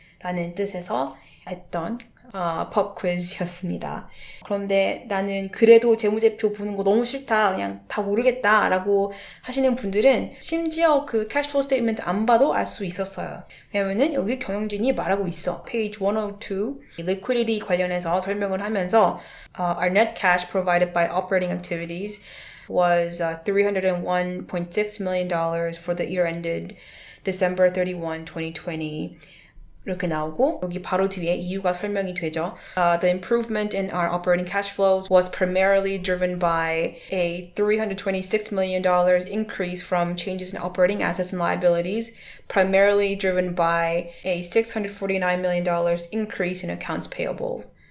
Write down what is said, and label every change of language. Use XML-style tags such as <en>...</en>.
<ko>라는 뜻에서 했던 pop quiz였습니다. 그런데 나는 그래도 재무제표 보는 거 너무 싫다, 그냥 다 모르겠다 라고 하시는 분들은 심지어 그 cash flow statement 안 봐도 알수 있었어요. 왜냐면은 여기 경영진이 말하고 있어.</ko> <en>page 102, liquidity</en> <ko>관련해서 설명을 하면서</ko> <en>our net cash provided by operating activities was $301.6 million for the year ended December 31, 2020.</en> <ko>이렇게 나오고 여기 바로 뒤에 이유가 설명이 되죠.</ko> <en>The improvement in our operating cash flows was primarily driven by a $326 million increase from changes in operating assets and liabilities, primarily driven by a $649 million increase in accounts payables.</en>